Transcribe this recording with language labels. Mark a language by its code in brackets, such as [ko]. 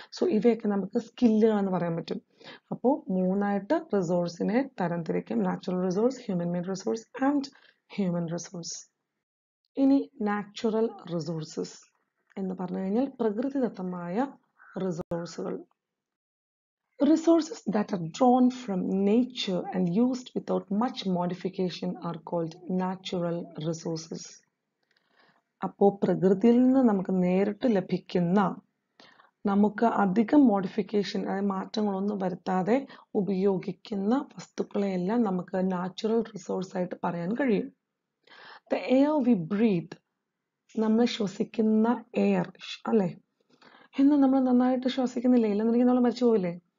[ml] So ഇവയൊക്കെ നമുക്ക് സ്കില്ലുകൾ എന്ന് പറയാൻ പറ്റും. അപ്പോൾ മൂന്നായിട്ട് റിസോഴ്സിനെ തരംതിരിക്കും: natural resource, human made resource and human resource. ഇനി നാച്ചുറൽ റിസോഴ്സസ് എന്ന് പറഞ്ഞു കഴിഞ്ഞാൽ പ്രകൃതിദത്തമായ റിസോഴ്സുകൾ. [en] Resources that are drawn from nature and used without much modification are called natural resources. [ml] അപ്പോൾ പ്രകൃതിയിൽ നിന്ന് നമുക്ക് നേരിട്ട് ലഭിക്കുന്ന, നമുക്ക് അധികം മോഡിഫിക്കേഷൻ, അതായത് മാറ്റങ്ങളൊന്നും വരുത്താതെ ഉപയോഗിക്കുന്ന വസ്തുക്കളെയെല്ലാം നമുക്ക് നാച്ചുറൽ റിസോഴ്സ് ആയിട്ട് പറയാൻ കഴിയും. [en] the air we breathe, [ml] നമ്മൾ ശ്വസിക്കുന്ന എയർ അല്ലേ, എന്ന് നമ്മൾ നന്നായിട്ട് ശ്വസിക്കുന്നില്ലേ, ഇല്ലെന്നുണ്ടെങ്കിൽ നമ്മൾ മരിച്ചു പോവില്ലേ.